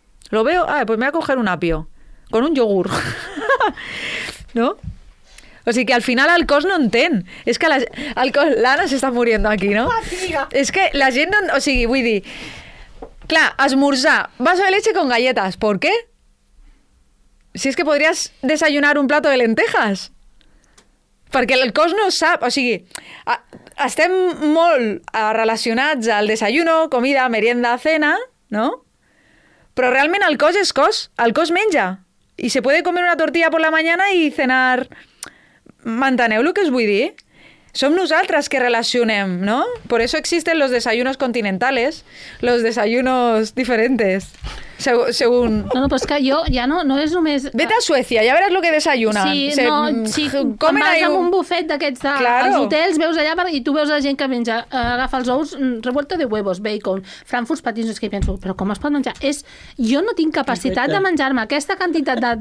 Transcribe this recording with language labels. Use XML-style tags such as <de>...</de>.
<es>Lo veo, pues me voy a coger un apio. Con un yogur. No?</es> <ca>O sigui que al final el cos no entén. És que l'Anna s'està</ca> <es>muriendo</es> <ca>aquí, no? És que la gent... O sigui, vull dir... Clar, esmorzar.</ca> <es>Vaso de leche con galletas. ¿Por qué? Si</es> <ca>és que podries</ca> <es>desayunar un plato de lentejas.</es> <ca>Perquè el cos no sap, o sigui, estem molt relacionats al</ca> <es>desayuno, comida, merienda, cena,</es> <ca>no? Però realment el cos és cos, el cos menja.</ca> <es>I se puede comer una tortilla por la mañana y cenar...</es> <ca>M'enteneu el que us vull dir? Som nosaltres que relacionem, no?</ca> <es>Por eso existen los desayunos continentales, los desayunos diferentes... Según...</es> <ca>No,</ca> <es>pues</es> <ca>que jo ja no és només...</ca> <es>Vete</es> <ca>a Suècia, ja veràs el que</ca> <es>desayunan.</es> <ca>Sí, quan vas amb un bufet d'aquests als hotels, veus allà i tu veus la gent que menja, agafa els ous,</ca> <es>revuelta de huevos,</es> <ca>bacon, frankfurts, patins, és que hi penso, però com es pot menjar? Jo no tinc capacitat de menjar-me aquesta quantitat de...</ca>